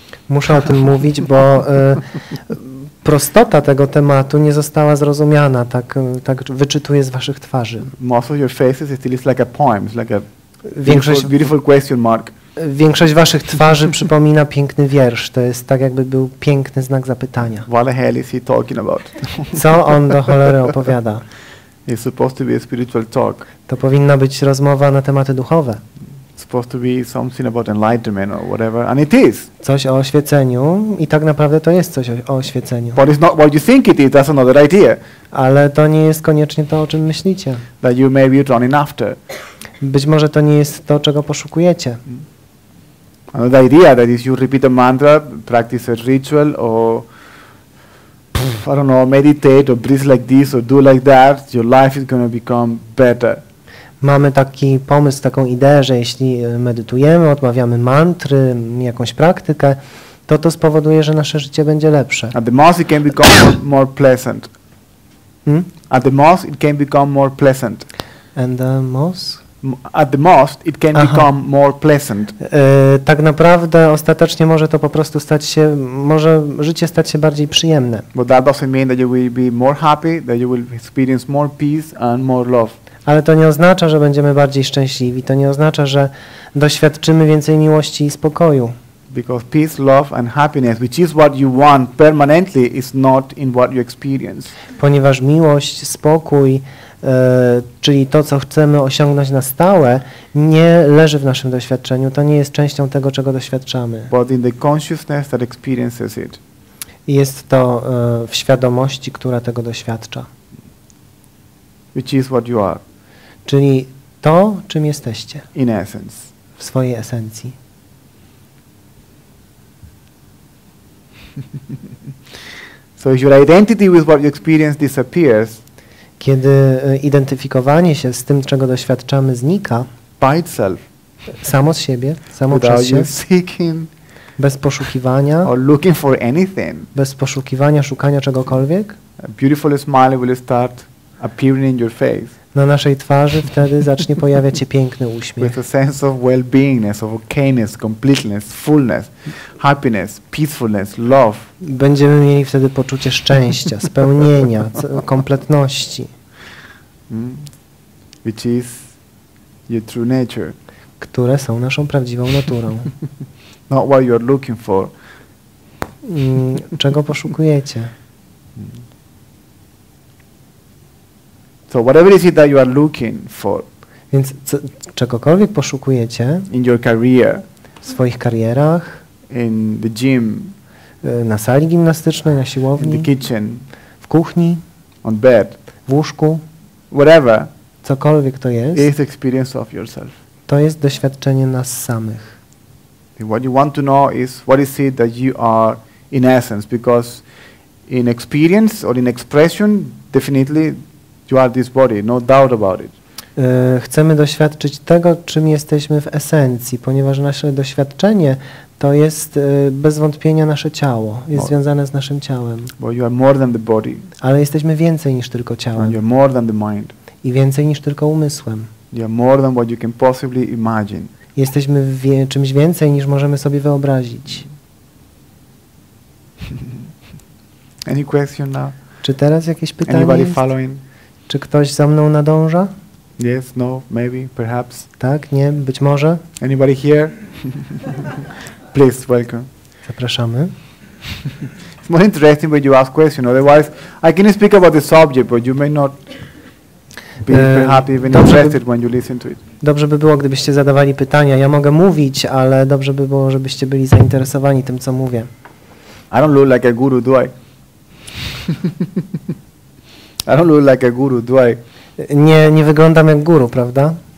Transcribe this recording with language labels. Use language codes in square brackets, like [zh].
[pl] Muszę o tym mówić, bo prostota tego tematu nie została zrozumiana, tak wyczytuję z waszych twarzy. [en] Most of your faces is still like a poem, it's like a beautiful question mark. [pl] Większość waszych twarzy przypomina piękny wiersz. To jest tak, jakby był piękny znak zapytania. [en] What the hell is he talking about? [pl] Co on do cholery opowiada? [en] It's supposed to be a spiritual talk. [pl] To powinna być rozmowa na tematy duchowe. [en] Supposed to be something about enlightenment or whatever, and it is. [pl] Coś o oświeceniu i tak naprawdę to jest coś o oświeceniu. [en] But it's not what you think it is. That's another idea. [pl] Ale to nie jest koniecznie to, o czym myślicie. [en] That you may be running after. [pl] Być może to nie jest to, czego poszukujecie. [en] Another idea that is you repeat a mantra, practice a ritual, or I don't know, meditate, or breathe like this, or do like that, your life is going to become better. [pl] Mamy taki pomysł, taką ideę, że jeśli medytujemy, odmawiamy mantry, jakąś praktykę, to spowoduje, że nasze życie będzie lepsze. [en] At the most it can become more pleasant. At the most it can become more pleasant. And the most? At the most it can become more pleasant. [pl] Tak naprawdę ostatecznie może to po prostu stać się, może życie stać się bardziej przyjemne. [en] But that doesn't mean that you will be more happy, that you will experience more peace and more love. [pl] Ale to nie oznacza, że będziemy bardziej szczęśliwi. To nie oznacza, że doświadczymy więcej miłości i spokoju. [en] Because peace, love and happiness, which is what you want permanently, is not in what you experience. [pl] Ponieważ miłość, spokój, czyli to, co chcemy osiągnąć na stałe, nie leży w naszym doświadczeniu. To nie jest częścią tego, czego doświadczamy. [en] But in the consciousness that experiences it. [pl] Jest to w świadomości, która tego doświadcza. [en] Which is what you are. [pl] Czyli to, czym jesteście. [en] In essence. [pl] W swojej esencji. [en] So if your identity with what you experience disappears. [pl] Kiedy identyfikowanie się z tym, czego doświadczamy, znika. [en] By itself. [pl] Samo z siebie, samo [en] without [pl] przez się. [en] Seeking. [pl] Bez poszukiwania. [en] Or looking for anything. [pl] Bez poszukiwania, szukania czegokolwiek. [en] A beautiful smile will start. Appearing in your face. [pl] Na naszej twarzy wtedy zacznie pojawiać się piękny uśmiech. [en] With a sense of well-beingness, of okayness, completeness, fullness, happiness, peacefulness, love. [pl] Będziemy mieli wtedy poczucie szczęścia, spełnienia, kompletności. [en] Which is your true nature. [pl] Które są naszą prawdziwą naturą. [en] Not what you are looking for. [pl] Czego poszukujecie? [en] So whatever is it that you are looking for. [pl] Więc czegokolwiek poszukujecie. [en] In your career. [pl] W swoich karierach. [en] In the gym. [pl] Na sali gimnastycznej, na siłowni. [en] In the kitchen. [pl] W kuchni. [en] On bed. [pl] W łóżku. [en] Whatever. [pl] Cokolwiek to jest. [en] It is the experience of yourself. [pl] To jest doświadczenie nas samych. [en] And what you want to know is what is it that you are in essence, because in experience or in expression, definitely. You are this body, no doubt about it. [pl] Chcemy doświadczyć tego, czym jesteśmy w esencji, ponieważ nasze doświadczenie to jest bez wątpienia nasze ciało, jest związane z naszym ciałem. [en] But you are more than the body. [pl] Ale jesteśmy więcej niż tylko ciałem. [en] And you are more than the mind. [pl] I więcej niż tylko umysłem. [en] You are more than what you can possibly imagine. [pl] Jesteśmy czymś więcej niż możemy sobie wyobrazić. [en] Any question now? [pl] Czy teraz jakieś pytanie? [en] Anybody [pl] jest? [en] Following? [pl] Czy ktoś za mną nadąża? [en] Yes, no, maybe, perhaps. [pl] Tak, nie, być może. [en] Anybody here? Please, welcome. [pl] Zapraszamy. [en] It's more interesting when you ask questions. Otherwise, I can speak about the subject, but you may not be happy, even interested when you listen to it. [pl] Dobrze by było, gdybyście zadawali pytania. Ja mogę mówić, ale dobrze by było, żebyście byli zainteresowani tym, co mówię. [en] I don't look like a guru, do I? I don't look like a guru, do I? [pl] Nie wyglądam jak guru, prawda?